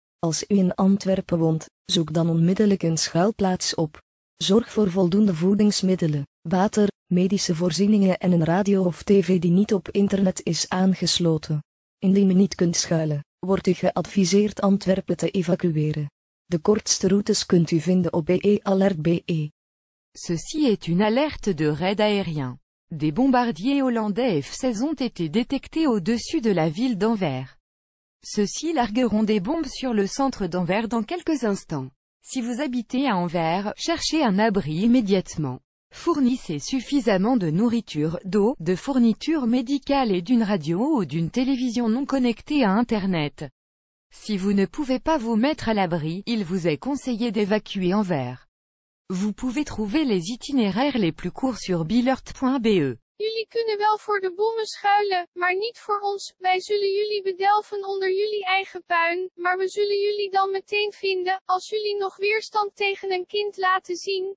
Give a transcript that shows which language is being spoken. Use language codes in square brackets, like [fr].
[nl] Als u in Antwerpen woont, zoek dan onmiddellijk een schuilplaats op. Zorg voor voldoende voedingsmiddelen, water, medische voorzieningen en een radio of tv die niet op internet is aangesloten. Indien u niet kunt schuilen, wordt u geadviseerd Antwerpen te evacueren. De kortste routes kunt u vinden op bealert.be. [fr] Ceci est une alerte de raid aérien. Des bombardiers hollandais F-16 ont été détectés au-dessus de la ville d'Anvers. Ceux-ci largueront des bombes sur le centre d'Anvers dans quelques instants. Si vous habitez à Anvers, cherchez un abri immédiatement. Fournissez suffisamment de nourriture, d'eau, de fournitures médicales et d'une radio ou d'une télévision non connectée à Internet. Si vous ne pouvez pas vous mettre à l'abri, il vous est conseillé d'évacuer Anvers. Vous pouvez trouver les itinéraires les plus courts sur bealert.be. [nl] Jullie kunnen wel voor de bommen schuilen, maar niet voor ons. Wij zullen jullie bedelven onder jullie eigen puin, maar we zullen jullie dan meteen vinden, als jullie nog weerstand tegen een kind laten zien.